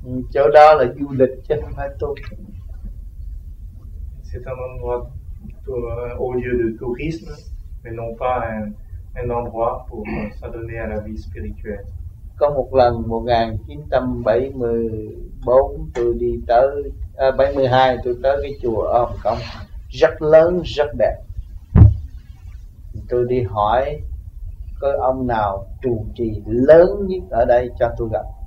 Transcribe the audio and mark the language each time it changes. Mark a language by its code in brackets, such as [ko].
[vi] chỗ đó là du lịch chứ không phải tu. [fr] C'est un endroit au lieu de tourisme mais non pas un endroit pour s'adonner à la vie spirituelle. [vi] Có một lần 1974 tôi đi tới 72 tôi tới cái chùa ở Hồng Kông rất lớn rất đẹp. Tôi đi hỏi có ông nào trụ trì lớn nhất ở đây cho tôi gặp.